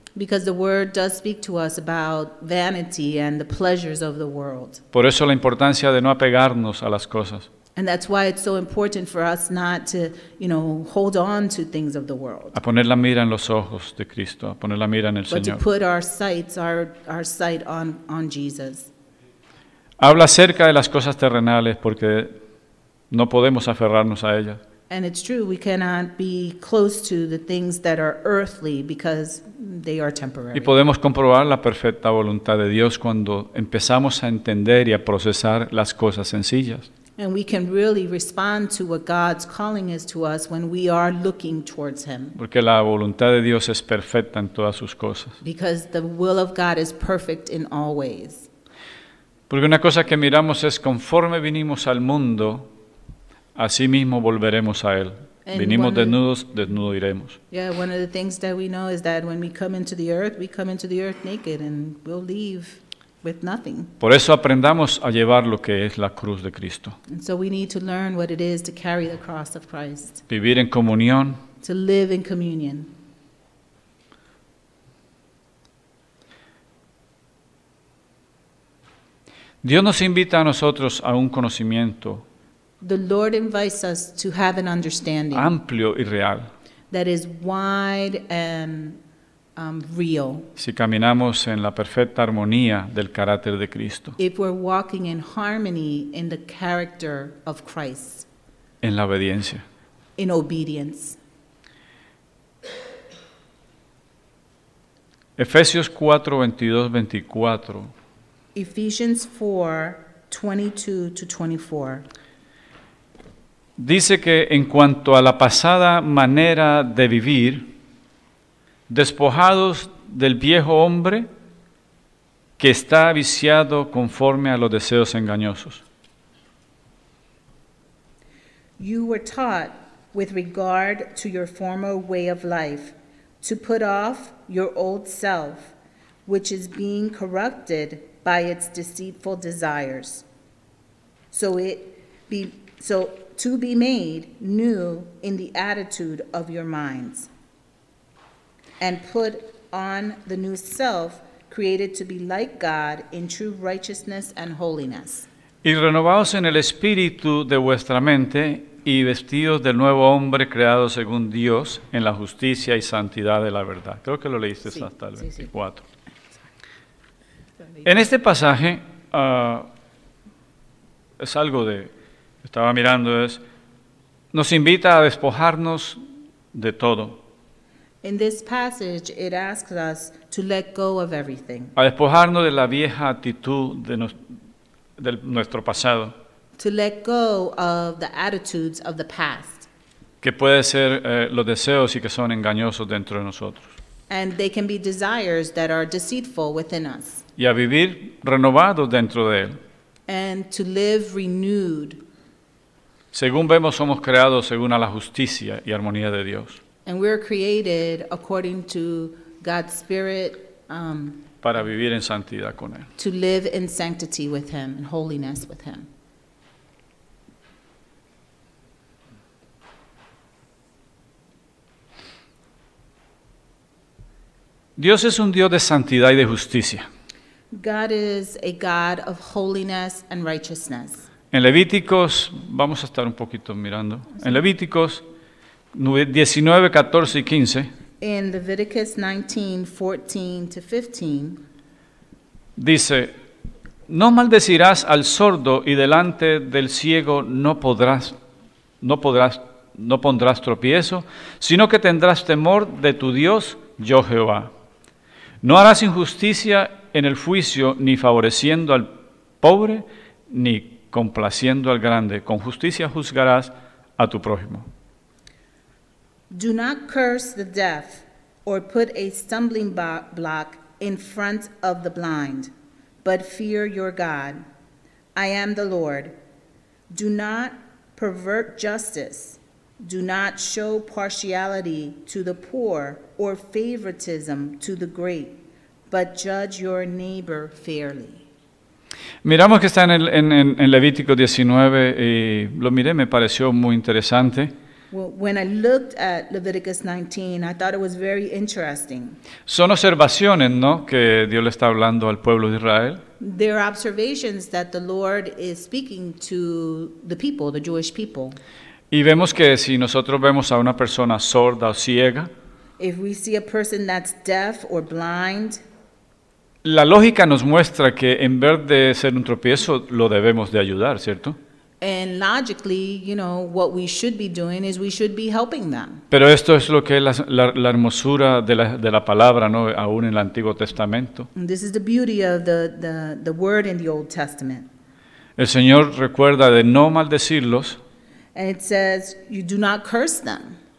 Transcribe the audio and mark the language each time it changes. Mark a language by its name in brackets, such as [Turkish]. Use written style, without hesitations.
[English] Because the Word does speak to us about vanity and the pleasures of the world. [Spanish] Por eso la importancia de no apegarnos a las cosas. [English] And that's why it's so important for us not to, you know, hold on to things of the world. [Spanish] A poner la mira en los ojos de Cristo, a poner la mira en el [English] but [Spanish] Señor. [English] But to put our sight on Jesus. [Spanish] Habla acerca de las cosas terrenales porque no podemos aferrarnos a ellas. [English] And it's true, we cannot be close to the things that are earthly because they are temporary. [Spanish] Y podemos comprobar la perfecta voluntad de Dios cuando empezamos a entender y a procesar las cosas sencillas. [English] And we can really respond to what God's calling is to us when we are looking towards Him. [Spanish] Porque la voluntad de Dios es perfecta en todas sus cosas. [English] Because the will of God is perfect in all ways. [Spanish] Porque una cosa que miramos es conforme vinimos al mundo, así mismo volveremos a Él. And vinimos desnudos, desnudo iremos. [English] Yeah, one of the things that we know is that when we come into the earth naked and we'll leave. With nothing. [Spanish] Por eso aprendamos a llevar lo que es la cruz de Cristo. [English] And so we need to learn what it is to carry the cross of Christ. [Spanish] Vivir en comunión. [English] To live in communion. [Spanish] Dios nos invita a nosotros a un conocimiento. [English] The Lord invites us to have an understanding. [Spanish] Amplio y real. [English] That is wide and real. [Spanish] Si caminamos en la perfecta armonía del carácter de Cristo. [English] If we're walking in harmony in the character of Christ. [Spanish] En la obediencia. [English] In obedience. [Spanish] Efesios 4, 22, 24. [English] Ephesians 4, 22 to 24. [Spanish] Dice que en cuanto a la pasada manera de vivir, despojados del viejo hombre que está viciado conforme a los deseos engañosos. [English] You were taught with regard to your former way of life to put off your old self, which is being corrupted by its deceitful desires. So to be made new in the attitude of your minds. And put on the new self, created to be like God in true righteousness and holiness. [Spanish] Y renovados en el espíritu de vuestra mente, y vestidos del nuevo hombre creado según Dios, en la justicia y santidad de la verdad. Creo que lo leíste sí, hasta el 24. Sí, sí. En este pasaje, nos invita a despojarnos de todo. [English] In this passage, it asks us to let go of everything. [Spanish] A despojarnos de la vieja actitud de nuestro pasado. [English] To let go of the attitudes of the past. [Spanish] Que puede ser los deseos y que son engañosos dentro de nosotros. [English] And they can be desires that are deceitful within us. [Spanish] Y a vivir renovados dentro de él. [English] And to live renewed. [Spanish] Según vemos, somos creados según a la justicia y armonía de Dios. [English] And we're created according to God's Spirit. [Spanish] Para vivir en santidad con él. [English] To live in sanctity with Him and holiness with Him. [Spanish] Dios es un Dios de santidad y de justicia. [English] God is a God of holiness and righteousness. [Spanish] En Levíticos, vamos a estar un poquito mirando. En Levíticos 19, 14 y 15. [English] In Leviticus 19, 14 to 15. [Spanish] Dice, no maldecirás al sordo y delante del ciego no pondrás tropiezo, sino que tendrás temor de tu Dios, yo Jehová. No harás injusticia en el juicio, ni favoreciendo al pobre, ni complaciendo al grande. Con justicia juzgarás a tu prójimo. [English] Do not curse the deaf or put a stumbling block in front of the blind, but fear your God. I am the Lord. Do not pervert justice. Do not show partiality to the poor or favoritism to the great, but judge your neighbor fairly. [Spanish] Miramos que está en Levítico 19 y lo miré, me pareció muy interesante. [English] When I looked at Leviticus 19, I thought it was very interesting. [Spanish] Son observaciones, ¿no?, que Dios le está hablando al pueblo de Israel. [English] There are observations that the Lord is speaking to the people, the Jewish people. [Spanish] Y vemos que si nosotros vemos a una persona sorda o ciega, [English] if we see a person that's deaf or blind, [Spanish] la lógica nos muestra que en vez de ser un tropiezo, lo debemos de ayudar, ¿cierto? [English] And logically, you know, what we should be doing is we should be helping them. [Spanish] Pero esto es lo que es la hermosura de la palabra, ¿no? Aún en el Antiguo Testamento. [English] This is the beauty of the word in the Old Testament. [Spanish] El Señor recuerda de no maldecirlos. [English] And it says, you do not curse them.